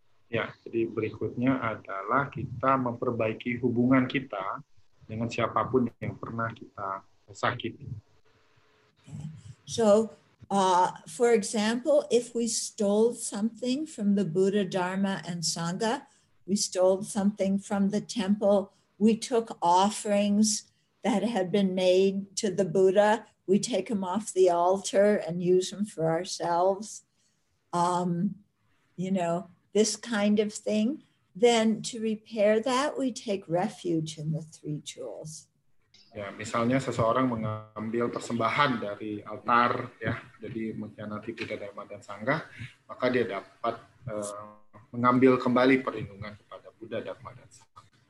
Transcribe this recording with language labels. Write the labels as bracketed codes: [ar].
[id] Ya, jadi berikutnya adalah kita memperbaiki hubungan kita dengan siapapun yang pernah kita sakiti. [en] Okay. So, for example, if we stole something from the Buddha, Dharma, and Sangha, we stole something from the temple, we took offerings that had been made to the Buddha, we take them off the altar and use them for ourselves, you know, this kind of thing, then to repair that, we take refuge in the three jewels. [id] Ya, misalnya seseorang mengambil persembahan dari altar, ya, jadi mengkhianati Buddha, Dharma, dan Sangha, maka dia dapat mengambil kembali perlindungan kepada Buddha, Dharma, dan Sangha.